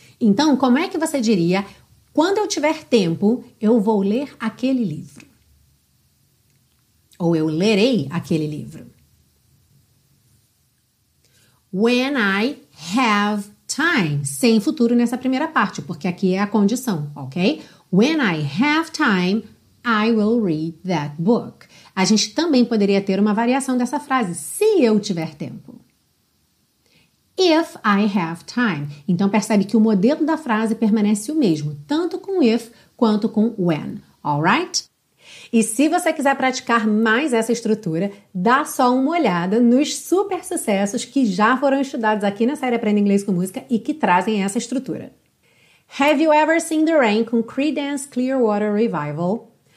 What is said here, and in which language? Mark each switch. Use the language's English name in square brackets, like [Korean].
[Portuguese] Então, como é que você diria, quando eu tiver tempo, eu vou ler aquele livro? Ou eu lerei aquele livro? [English] When I have time. [Portuguese] Sem futuro nessa primeira parte, porque aqui é a condição, ok? [English] When I have time, I will read that book. [Portuguese] A gente também poderia ter uma variação dessa frase, se eu tiver tempo. [English] If I have time. [Portuguese] Então percebe que o modelo da frase permanece o mesmo, tanto com if quanto com when. Alright? E se você quiser praticar mais essa estrutura, dá só uma olhada nos super sucessos que já foram estudados aqui na série Aprenda Inglês com Música e que trazem essa estrutura. [English] Have you ever seen the rain com Creedence Clearwater Revival?